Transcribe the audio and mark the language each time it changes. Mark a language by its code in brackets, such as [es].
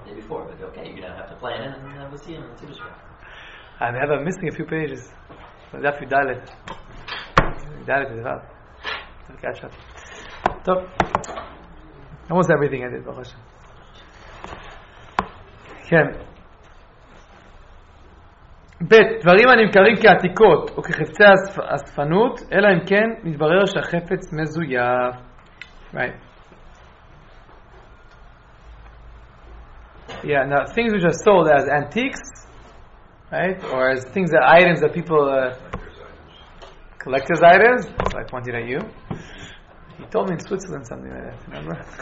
[en] but okay, you're gonna have to plan it and have a siyum in Tu Bishvat. And they have a missing a few pages. But that's your dalet. Dalet is about. Catch up. So, almost everything I did, Baruch Hashem. [he] כן. בית, דברים הנמכרים כעתיקות או כחפצי הספנות, אלא אם כן מתברר שהחפץ מזויף. [en] Right. Yeah, now things which are sold as antiques, right, or as things that items that people collectors items, so I pointed at you. He told me in Switzerland something like that, remember?